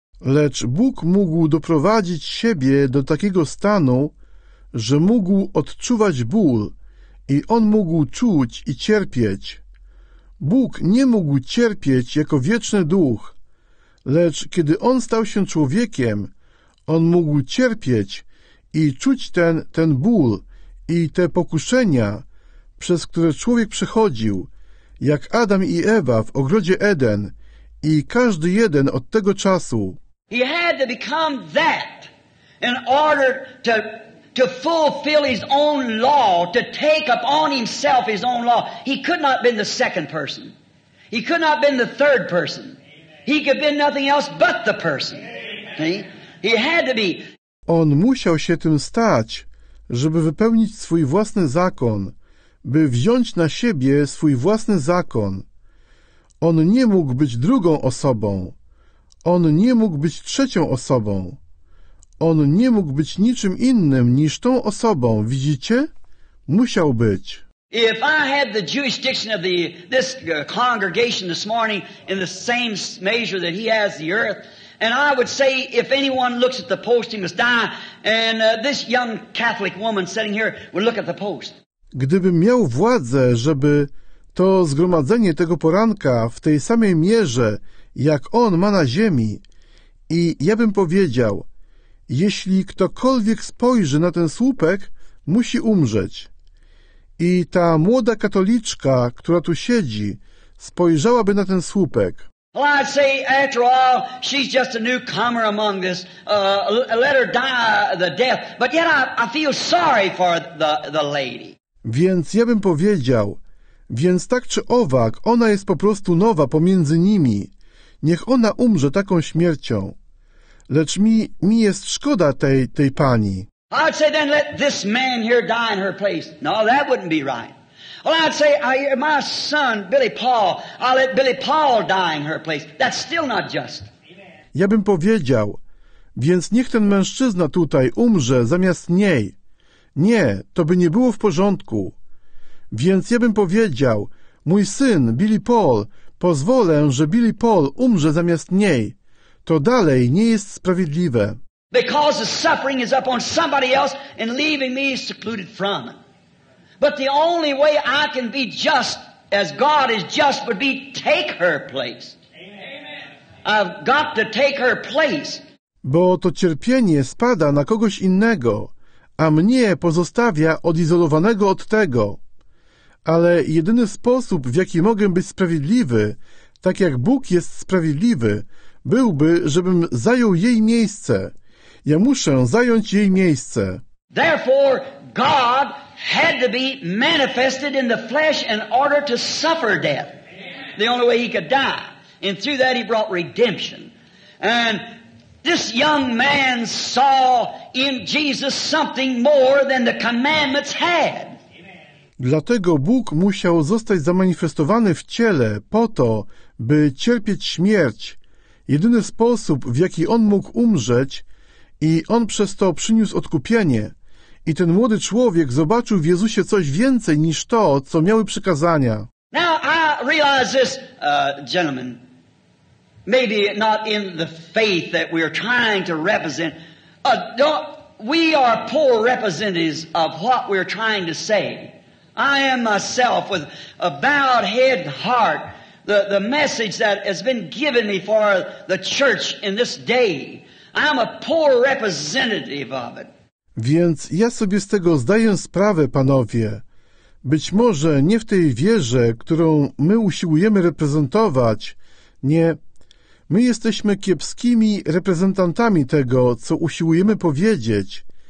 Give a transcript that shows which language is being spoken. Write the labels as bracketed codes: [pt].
[pl] Lecz Bóg mógł doprowadzić siebie do takiego stanu, że mógł odczuwać ból i on mógł czuć i cierpieć. Bóg nie mógł cierpieć jako wieczny duch, lecz kiedy on stał się człowiekiem, on mógł cierpieć i czuć ten ból i te pokuszenia, przez które człowiek przechodził, jak Adam i Ewa w ogrodzie Eden i każdy jeden od tego czasu. [en] He had to become that in order to fulfill his own law, to take upon himself his own law. He could not have been the second person. He could not have been the third person. He could have been nothing else but the person. He had to be. [pl] On musiał się tym stać, żeby wypełnić swój własny zakon, by wziąć na siebie swój własny zakon. On nie mógł być drugą osobą. On nie mógł być trzecią osobą. On nie mógł być niczym innym niż tą osobą, widzicie? Musiał być. [en] If I had the jurisdiction of this congregation this morning in the same measure that he has the earth, and I would say if anyone looks at the post, he must die, and this young Catholic woman sitting here would look at the post. [pl] Gdybym miał władzę, żeby to zgromadzenie tego poranka w tej samej mierze, jak on ma na ziemi, i ja bym powiedział, jeśli ktokolwiek spojrzy na ten słupek, musi umrzeć. I ta młoda katoliczka, która tu siedzi, spojrzałaby na ten słupek. [en] Well, I'd say, after all, she's just a newcomer among this. Let her die the death. But yet I feel sorry for the lady. [pl] Więc ja bym powiedział, więc tak czy owak, ona jest po prostu nowa pomiędzy nimi. Niech ona umrze taką śmiercią. Lecz mi jest szkoda tej pani. [en] I'd say then let this man here die in her place. No, that wouldn't be right. Well, I'd say my son, Billy Paul, I'll let Billy Paul die in her place. That's still not just. [pl] Ja bym powiedział, więc niech ten mężczyzna tutaj umrze zamiast niej. Nie, to by nie było w porządku. Więc ja bym powiedział, mój syn, Billy Paul, pozwolę, że Billy Paul umrze zamiast niej. To dalej nie jest sprawiedliwe. [en] Because the suffering is upon somebody else and leaving me secluded from him. But the only way I can be just as God is just would be take her place. Amen. I've got to take her place. [pl] Bo to cierpienie spada na kogoś innego, a mnie pozostawia odizolowanego od tego. Ale jedyny sposób, w jaki mogę być sprawiedliwy, tak jak Bóg jest sprawiedliwy, byłby, żebym zajął jej miejsce. Ja muszę zająć jej miejsce. [en] Therefore, God had to be manifested in the flesh in order to suffer death. The only way he could die. And through that he brought redemption. And this young man saw in Jesus something more than the commandments had. [pl] Dlatego Bóg musiał zostać zamanifestowany w ciele po to, by cierpieć śmierć. Jedyny sposób, w jaki on mógł umrzeć, i on przez to przyniósł odkupienie. I ten młody człowiek zobaczył w Jezusie coś więcej niż to, co miały przykazania. [en] Now I realize this, gentlemen, maybe not in the faith that we are trying to represent. We are poor representatives of what we are trying to say. I am myself with a bowed head and heart. The message that has been given me for the church in this day. I'm a poor representative of it. [pl] Więc ja sobie z tego zdaję sprawę, panowie. Być może nie w tej wierze, którą my usiłujemy reprezentować. Nie. My jesteśmy kiepskimi reprezentantami tego, co usiłujemy powiedzieć.